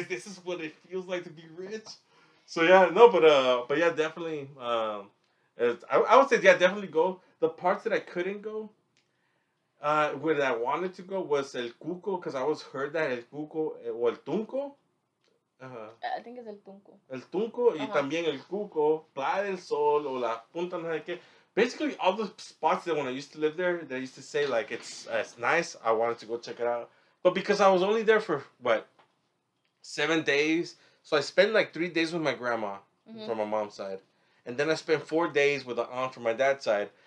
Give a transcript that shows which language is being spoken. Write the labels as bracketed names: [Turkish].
[English] Is this is what it feels like to be rich? So yeah, no, but definitely... I would say, yeah, definitely go. The parts that I couldn't go, where I wanted to go, was El Cuco, because I always heard that El Cuco, or El Tunco. I think it's El Tunco. [Spanish] El Tunco, y también El Cuco, Playa del Sol, o La Punta, no sé qué. [English] Basically, all the spots that when I used to live there, they used to say, like, it's nice, I wanted to go check it out. But because I was only there for, 7 days, So I spend like 3 days with my grandma from my mom's side. And then I spent 4 days with an aunt from my dad's side.